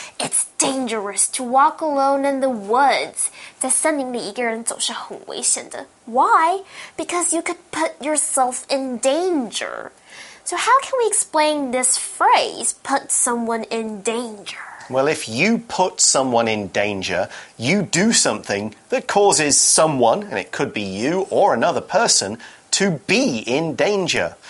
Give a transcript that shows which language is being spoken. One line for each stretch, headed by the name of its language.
English: It's dangerous to walk alone in the woods.
Chinese: 在森林里一个人走是很危险的。
English: Why? Because you could put yourself in danger. So how can we explain this phrase, put someone in danger? Well, if you put someone in danger, you do something that causes someone, and it could be you or another person, to be in danger.